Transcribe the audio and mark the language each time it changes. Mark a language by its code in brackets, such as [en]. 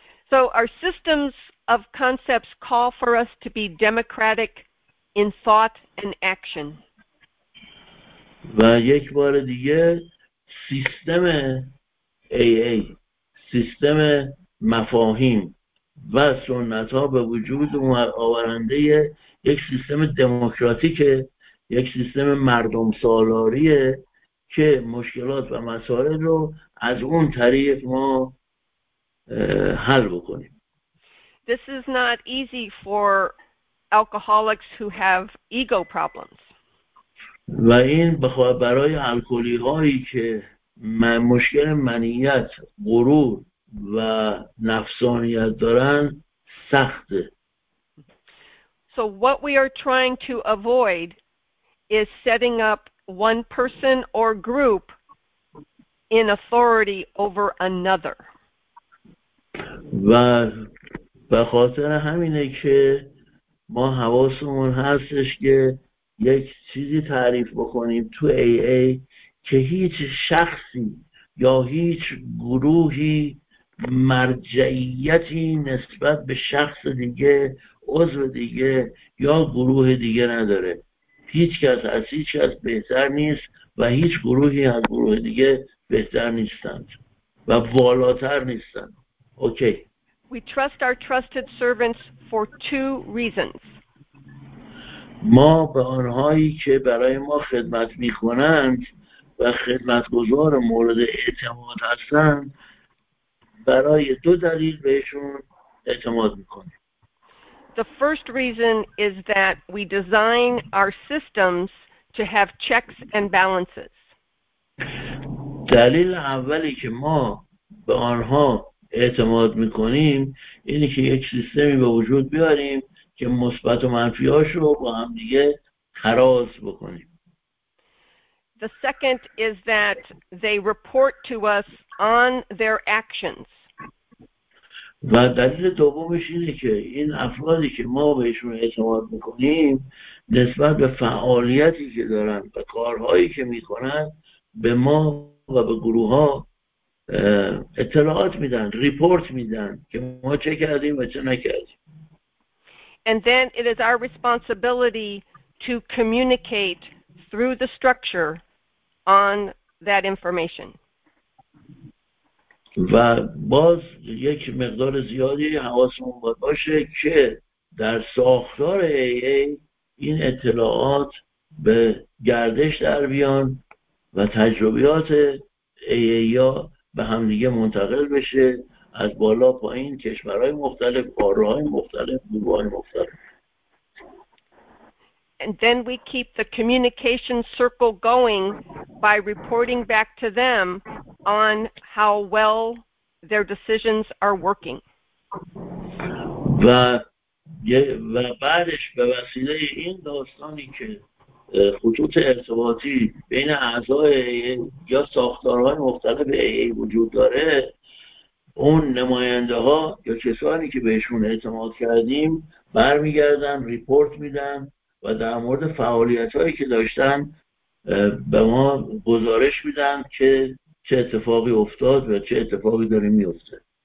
[en] So our systems of concepts call for us to be democratic in thought and action. [fa] و یک بار دیگه سیستم AA، سیستم مفاهیم و سنت‌ها به وجود آورنده یک سیستم دموکراتیک، یک سیستم مردم سالاریه که مشکلات و مسائل رو از اون طریق ما حل بکنیم. [en] This is not easy for alcoholics who have ego problems. [fa] و این برای الکلی هایی که مشکل منیت، غرور و نفسانیت دارن سخته. [en] So what we are trying to avoid is setting up one person or group in authority over another. [fa] و به خاطر همینه که ما حواسمون هستش که یک چیزی تعریف بکنیم تو AA که هیچ شخصی یا هیچ گروهی مرجعیتی نسبت به شخص دیگه، عضو دیگه یا گروه دیگه نداره. هیچ کس از هیچ کس بهتر نیست و هیچ گروهی از گروه دیگه بهتر نیستند و والاتر نیستند. اوکی. [en] We trust our trusted servants for two reasons. [fa] ما به آنهایی که برای ما خدمت می کنند و خدمتگزار مورد اعتماد هستند برای دو دلیل بهشون اعتماد می کنیم. [en] The first reason is that we design our systems to have checks and balances. [fa] دلیل اولی که ما به آنها اعتماد میکنیم اینی که یک سیستمی به وجود بیاریم که مثبت و منفیاش رو با هم دیگه تراز بکنیم. [en] The second is that they report to us on their actions. [fa] و دلیل دومش اینه که این افرادی که ما بهشون اعتماد میکنیم نسبت به فعالیتی که دارن و کارهایی که میکنن به ما و به گروه ها اطلاعات میدن، ریپورت میدن که ما چه کردیم و چه نکردیم. [en] And then it is our responsibility to communicate through the structure on that information. [fa] و باز یک مقدار زیادی حواسمون باید باشه که در ساختار AA این اطلاعات به گردش در بیان و تجربیات AA به همدیگه منتقل بشه از بالا پایین، کشورهای مختلف، قاره‌های مختلف، گروه‌های مختلف. [en] And then we keep the communication circle going by reporting back to them on how well their decisions are working. [fa] و بعدش به وسیله این داستانی که خطوط ارتباطی بین اعضای یا ساختارهای مختلف AA وجود داره، اون نماینده ها یا کسانی که بهشون اعتماد کردیم برمیگردن، ریپورت میدن و در مورد فعالیت هایی که داشتن به ما گزارش میدن که چه اتفاقی افتاد و چه اتفاقی داره میفته.